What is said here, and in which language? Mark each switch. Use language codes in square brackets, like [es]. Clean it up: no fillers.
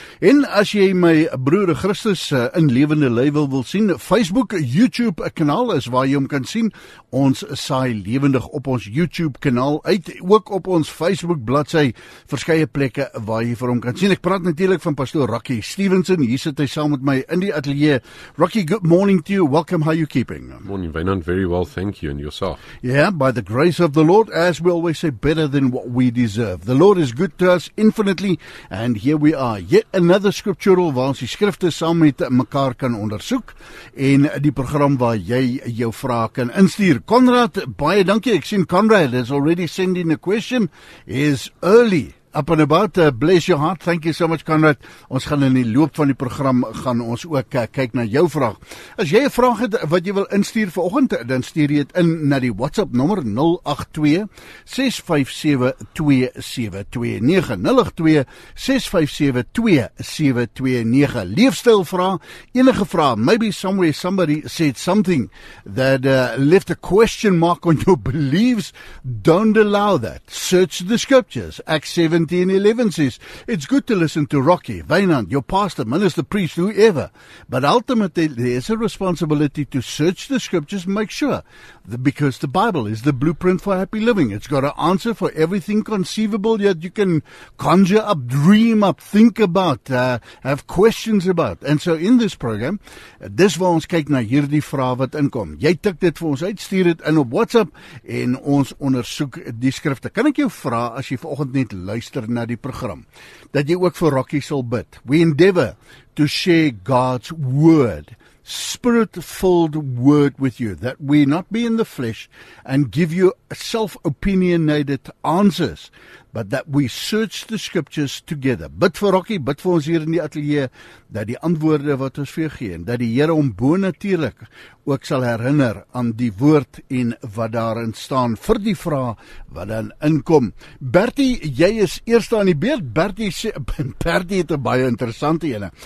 [af] En as jy my broer Christus in lewende lywe wil sien, Facebook, YouTube kanaal is waar jy hom kan sien. Ons saai lewendig op ons YouTube kanaal uit, ook op ons Facebook bladsy, verskeie plekke waar jy vir hom kan sien. Ek praat natuurlik van pastoor Rocky Stevenson. Hier sit hy saam met my in die ateljee. [en] Rocky, good morning to you. Welcome. How are you keeping? Morning, Wynand. Very well, thank you. And yourself? Yeah, by the grace of the Lord, as we always say, better than what we deserve. The Lord is good to us infinitely, and here we are. Yet another scriptural [af] waar ons die skrifte saam met mekaar kan ondersoek, en die program waar jy jou vrae kan instuur. Conrad, baie dankie. Ek sien Conrad [en] is already sending a question. Is early. Up and about, bless your heart, thank you so much Conrad. [af] Ons gaan in die loop van die program gaan ons ook kyk na jou vraag. As jy 'n vraag het wat jy wil instuur vanoggend, dan stuur jy dit in na die WhatsApp nommer 082-657-2729. Leefstyl vraag, enige vraag, [en] maybe somewhere somebody said something that left a question mark on your beliefs, don't allow that. Search the scriptures, Acts 17. In 11 says, it's good to listen to Rocky, Wynand, your pastor, minister, priest, whoever. But ultimately, there's a responsibility to search the scriptures and make sure. Because the Bible is the blueprint for happy living. It's got an answer for everything conceivable that you can conjure up, dream up, think about, have questions about. And so in this program, [af] dis waar ons kyk na hierdie vraag wat inkom. Jy tik dit vir ons uit, stuur dit in op WhatsApp en ons ondersoek die skrifte. Kan ek jou vra, as jy vanoggend net luister na die program, dat jy ook vir Rocky sal bid? [en] We endeavor to share God's word, spirit-filled word with you, that we not be in the flesh and give you self-opinionated answers, but that we search the scriptures together. [af] Bid vir Rocky, bid vir ons hier in die atelier, dat die antwoorde wat ons vir gee, en dat die Here hom bonatuurlik ook sal herinner aan die woord en wat daarin staan vir die vraag wat dan inkom. Bertie, jy is eerste aan die beurt. Bertie het 'n baie interessante ene.